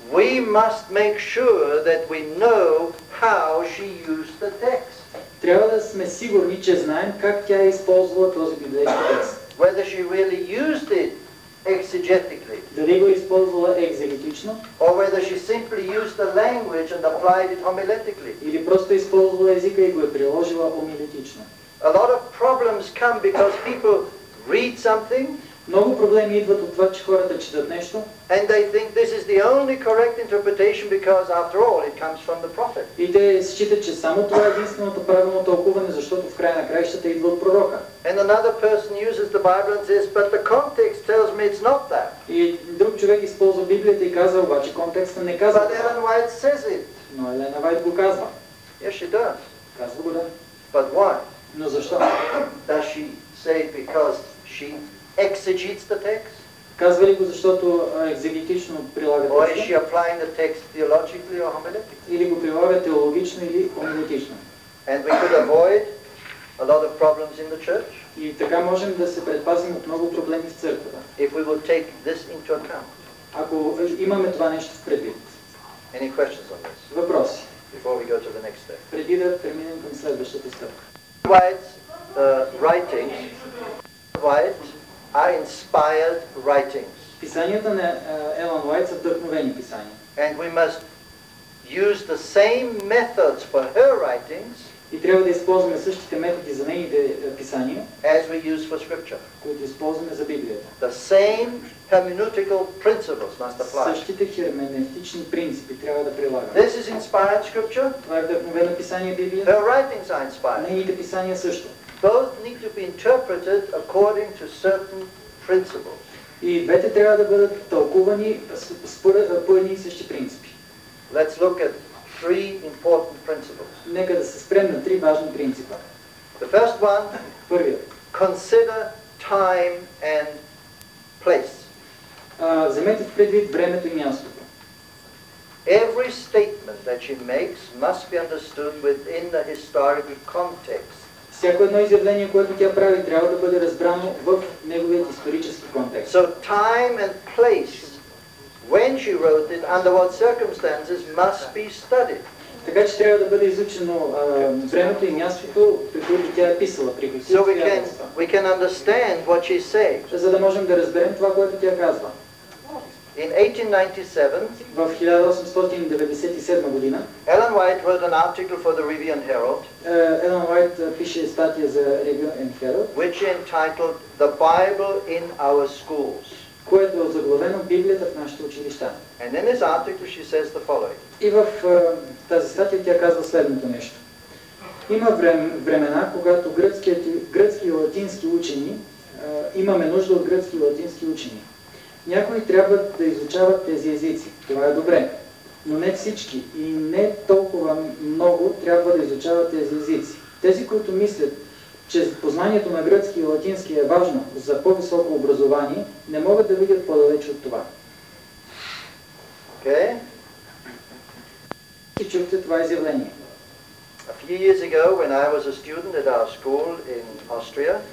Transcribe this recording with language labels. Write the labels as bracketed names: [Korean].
[English] We must make sure that we know how she used the text. [Bulgarian] Трябва да сме сигурни, че знаем как тя е използвала този библейски текст. [English] Whether she really used it exegetically. [Bulgarian] Дали го използвала екзегетично? [English] Or whether she simply used the language and applied it homiletically. [Bulgarian] Или просто използвала езика и го е приложила хомилетично. [English] A lot of problems come because people read something. [Bulgarian] Много проблеми идват от това, че хората четат нещо. [English] And they think this is the only correct interpretation because after all it comes from the prophet. [Bulgarian] И те считат, че само това е единственото правилно тълкуване, защото в края на краищата идва от пророка. [English] And another person uses the Bible and says, but the context tells me it's not that. [Bulgarian] И друг човек използва Библията и казва, обаче контекстът не казва. [English] But Ellen White says it. [Bulgarian] Но Елена Вайт го казва. [English] Yes, she does. [Bulgarian] Казва го да. [English] But why? [Bulgarian] Но защо? [English] Does she say it because she exegetes the text? [Bulgarian] Казва ли го, защото екзегетично прилага текста? [English] Or is she applying the text theologically or homiletically? [Bulgarian] Или го прилага теологично или хомилетично? [English] And we could avoid a lot of problems in the church. [Bulgarian] И така можем да се предпазим от много проблеми в църквата. [English] If we will take this into account. [Bulgarian] Ако имаме това нещо в предвид. [English] Any questions on this? [Bulgarian] Въпроси. [English] Before we go to the next step. [Bulgarian] Преди да преминем към следващата стъпка. [English] White's writings. White are inspired writings. [Bulgarian] Писанията на Елън Уайт са вдъхновени писания. [English] And we must use the same methods for her writings. [Bulgarian] И трябва да използваме същите методи за нейните писания, [English] as we use for scripture. [Bulgarian] Които използваме за Библията. [English] The same hermeneutical principles must apply. [Bulgarian] Същите херменевтични принципи трябва да прилагаме. [English] This is inspired scripture. [Bulgarian] Това е вдъхновено писание Библия. [English] Her writings are inspired. [Bulgarian] Нейните писания също. [English] Both need to be interpreted according to certain principles. [Bulgarian] И двете трябва да бъдат тълкувани според по едни и същи принципи. [English] Let's look at three important principles. [Bulgarian] Нека да се спрем на три важни принципа. [English] The first one, [Bulgarian] първият. [English] Consider time and place. [Bulgarian] Вземете в предвид времето и мястото. [English] Every statement that she makes must be understood within the historical context. [Bulgarian] Всяко едно изявление, което тя прави, трябва да бъде разбрано в неговият исторически контекст. [English] So time and place, when she wrote it, under what circumstances, must be studied. [Bulgarian] Така че трябва да бъде изучено времето и мястото, при които тя е писала, при които тя е писала. [English] So we can understand what she says. [Bulgarian] За да можем да разберем това, което тя казва. [English] In 1897, Ellen White wrote an article for the Review and Herald, [Bulgarian] Ellen White пише статия за Review and Herald, [English] which entitled The Bible in Our Schools. [Bulgarian] Което е озаглавено Библията в нашите училища. [English] And in this article she says the following. [Bulgarian] И в тази статия тя казва следното нещо. Има времена, когато гръцки и латински учени, имаме нужда от гръцки и латински учени. Някои трябва да изучават тези езици. Това е добре. Но не всички и не толкова много трябва да изучават тези езици. Тези, които мислят, че познанието на гръцки и латински е важно за по-високо образование, не могат да видят по-далеч от това. Окей. Okay. И чухте това изявление. [English] A few years ago, when I was a student at our school in Austria,